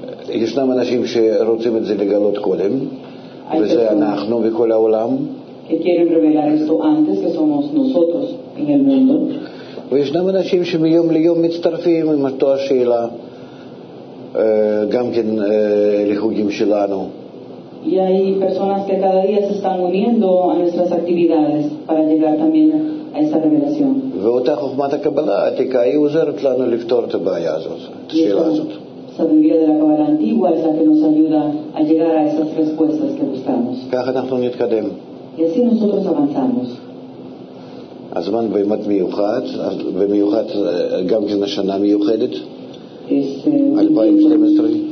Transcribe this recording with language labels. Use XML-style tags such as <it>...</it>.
<he>ישנם אנשים שרוצים את זה לגלות קודם, וזה אנחנו בכל העולם.</he> <es>Que quieren revelar esto antes, que somos nosotros en el mundo.</es> <he>וישנם אנשים שמיום ליום מצטרפים עם אותו השאלה, גם כן לחוגים שלנו.</he> <es>Y hay personas que cada día se están uniendo a nuestras actividades para llegar también a esta revelación.</es> <he>ואותה חוכמת הקבלה העתיקה היא עוזרת לנו לפתור את הבעיה הזאת, את השאלה הזאת.</he> <es>Sabiduría de la Kabbalah antigua es la que nos ayuda a llegar a esas respuestas que buscamos.</es> <he>כך אנחנו נתקדם.</he> <es>Y así nosotros avanzamos.</es> <he>הזמן באמת מיוחד, ומיוחד גם כן השנה מיוחדת, 2012.</he>